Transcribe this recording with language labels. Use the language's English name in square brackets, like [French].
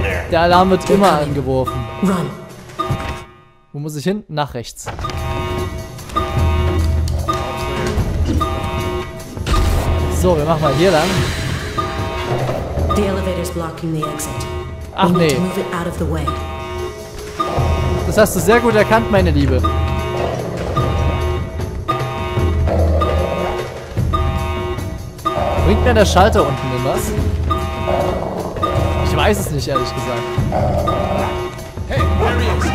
[German] Der Alarm wird immer angeworfen. [English] Run. [German] Wo muss ich hin? Nach rechts. So, wir machen mal hier lang. [English] The elevator is blocking the exit. [German] Ach nee. [English] We need to move it out of the way. [German] Das hast du sehr gut erkannt, meine Liebe. Bringt mir der Schalter unten denn was? Ich weiß es nicht, ehrlich gesagt. [English] Hey, where are you?